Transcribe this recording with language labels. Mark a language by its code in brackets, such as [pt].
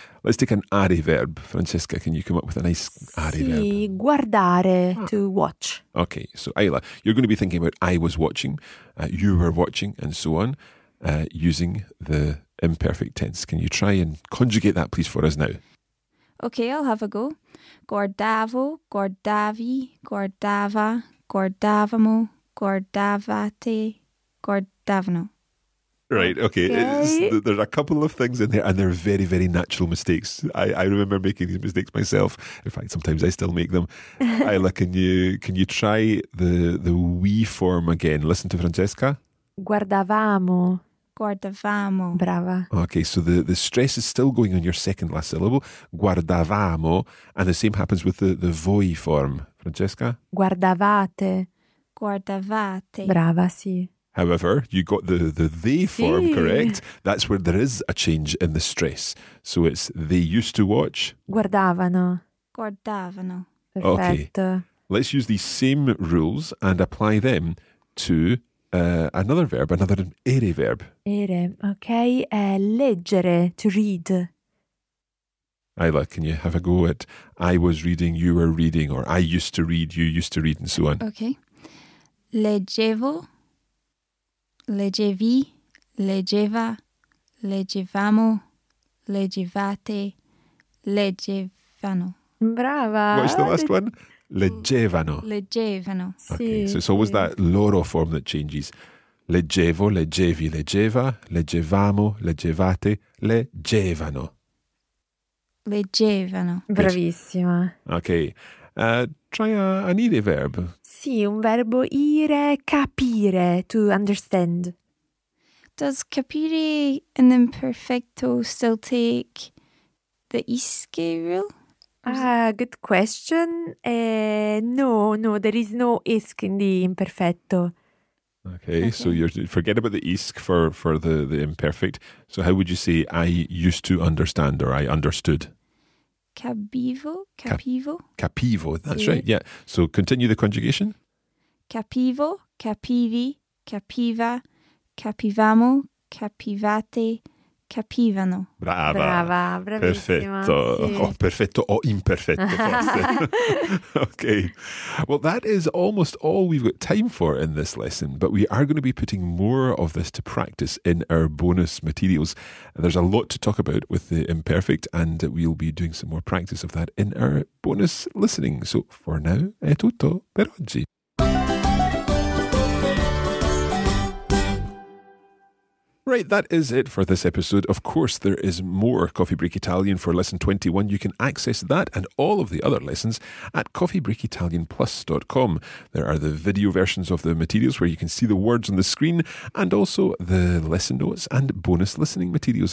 [en] Let's take an are verb. Francesca, can you come up with a nice are [it] sì, [en] verb? [it] Sì, guardare, [en] to watch. Okay. So Ayla, you're going to be thinking about I was watching, you were watching, and so on, using the imperfect tense. Can you try and conjugate that please for us now? Okay, I'll have a go. [it] Guardavo, guardavi, guardava, guardavamo, guardavate, guardavano. [en] Right, okay. There's a couple of things in there and they're very, very natural mistakes. I remember making these mistakes myself. In fact, sometimes I still make them. Ayla, can you try the we form again? Listen to Francesca. [it] Guardavamo. Guardavamo. Brava. [en] Okay, so the stress is still going on your second last syllable. Guardavamo. And the same happens with the voi form. Francesca? [it] Guardavate. Guardavate. Brava, sì. [en] However, you got the they form correct. That's where there is a change in the stress. So it's they used to watch. [it] Guardavano. Guardavano. Perfetto. Okay. [en] Let's use these same rules and apply them to another verb, another ere verb. Ere, okay. Leggere, to read. Ayla, can you have a go at I was reading, you were reading, or I used to read, you used to read, and so on. Okay. [it] Leggevo, leggevi, leggeva, leggevamo, leggevate, leggevano. Brava. [en] What's the last one? Leggevano. [it] Leggevano. Okay, so it's always that loro form that changes. Leggevo, leggevi, leggeva, leggevamo, leggevate, leggevano. Leggevano. Bravissima. [en] Okay. Try an ire verb. [it] Sì, un verbo ire, capire, [en] to understand. Does capire an imperfecto still take the ische rule? Good question. No, there is no isk in the imperfetto. Okay, so you're forget about the isk for the imperfect. So how would you say I used to understand or I understood? [it] Capivo, capivo. [en] Capivo, that's sì. Right, yeah. So continue the conjugation. [it] Capivo, capivi, capiva, capivamo, capivate, capivano. Brava, brava, bravissima. Perfetto. Sì. Oh, perfetto o imperfetto forse. [en] Okay. Well, that is almost all we've got time for in this lesson, but we are going to be putting more of this to practice in our bonus materials. There's a lot to talk about with the imperfect, and we'll be doing some more practice of that in our bonus listening. So for now, [it] è tutto per oggi. [en] Right, that is it for this episode. Of course, there is more Coffee Break Italian for Lesson 21. You can access that and all of the other lessons at coffeebreakitalianplus.com. There are the video versions of the materials where you can see the words on the screen, and also the lesson notes and bonus listening materials.